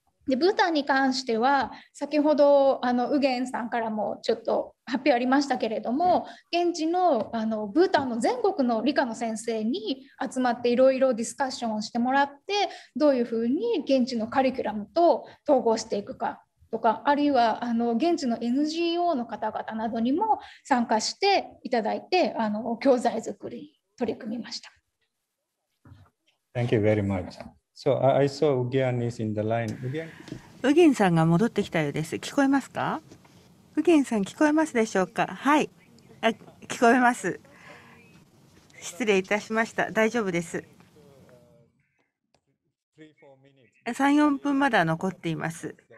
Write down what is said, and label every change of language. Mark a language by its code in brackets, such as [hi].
[ja] でブータンに関しては、先ほどウゲンさんからもちょっと発表ありましたけれども、現地のブータンの全国の理科の先生に集まっていろいろディスカッションをしてもらって、どういうふうに現地のカリキュラムと統合していくかとか、あるいは現地の NGO の方々などにも参加していただいて、教材作り取り組みました。 [en] Thank you very much. So I saw Ugyen is in the line. [ja] Ugyen さんが戻ってきたようです。聞こえますか？Ugyenさん聞こえますでしょうか？はい。あ、聞こえます。失礼いたしました。大丈夫です。 3、4分まだ残っています。